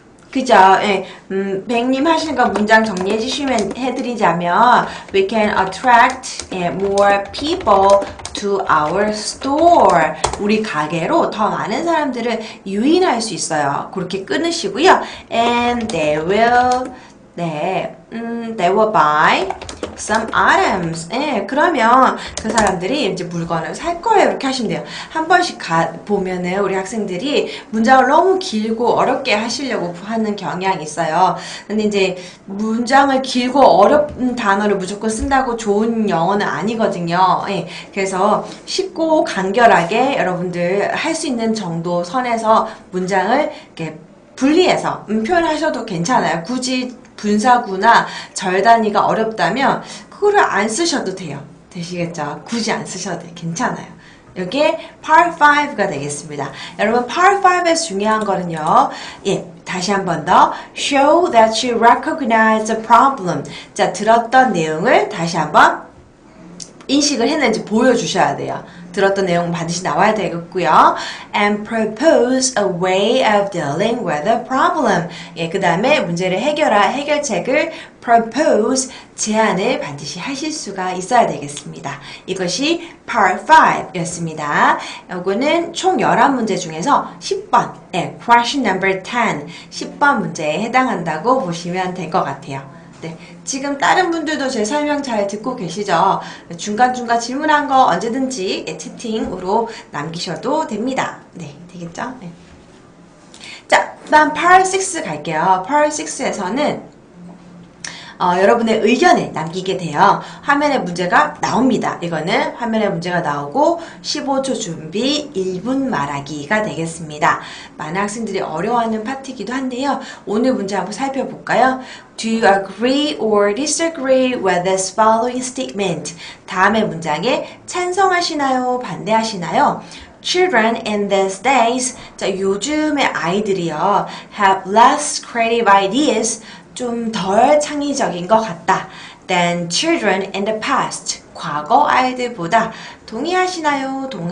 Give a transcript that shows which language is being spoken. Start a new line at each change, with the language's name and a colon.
Korean: 그죠? 예. 백님 하시는 거 문장 정리해 주시면 해드리자면
English: we can attract more people to our store.
Korean: 우리 가게로 더 많은 사람들을 유인할 수 있어요. 그렇게 끊으시고요.
English: And they will, 네, they will buy some items.
Korean: 예, 그러면 그 사람들이 이제 물건을 살 거예요. 이렇게 하시면 돼요. 한 번씩 보면은 우리 학생들이 문장을 너무 길고 어렵게 하시려고 하는 경향이 있어요. 근데 이제 문장을 길고 어려운 단어를 무조건 쓴다고 좋은 영어는 아니거든요. 예, 그래서 쉽고 간결하게 여러분들 할 수 있는 정도 선에서 문장을 이렇게 분리해서 표현하셔도 괜찮아요. 굳이 분사구나 절단위가 어렵다면 그거를 안 쓰셔도 돼요. 되시겠죠? 굳이 안 쓰셔도 돼요. 괜찮아요. 이게 part 5가 되겠습니다. 여러분 part 5에서 중요한 거는요. 예, 다시 한 번 더
English: show that you recognize the problem.
Korean: 자, 들었던 내용을 다시 한번 인식을 했는지 보여주셔야 돼요. 들었던 내용 반드시 나와야 되겠고요.
English: And propose a way of dealing with the problem.
Korean: 예, 그 다음에 문제를 해결할 해결책을 propose 제안을 반드시 하실 수가 있어야 되겠습니다. 이것이 part 5였습니다. 이거는 총 11문제 중에서 10번, 예, question number 10, 10번 문제에 해당한다고 보시면 될 것 같아요. 네, 지금 다른 분들도 제 설명 잘 듣고 계시죠? 중간중간 질문한 거 언제든지 채팅으로 남기셔도 됩니다. 네, 되겠죠? 네. 자, 다음 part 6 갈게요. part 6에서는 여러분의 의견을 남기게 돼요. 화면에 문제가 나옵니다. 이거는 화면에 문제가 나오고 15초 준비 1분 말하기가 되겠습니다. 많은 학생들이 어려워하는 파트이기도 한데요. 오늘 문제 한번 살펴볼까요?
English: Do you agree or disagree with this following statement?
Korean: 다음의 문장에 찬성하시나요? 반대하시나요?
English: Children in these days,
Korean: 자, 요즘의 아이들이요,
English: have less creative ideas,
Korean: 좀 덜 창의적인 것 같다.
English: than children in the past,
Korean: 과거 아이들보다 동의하시나요?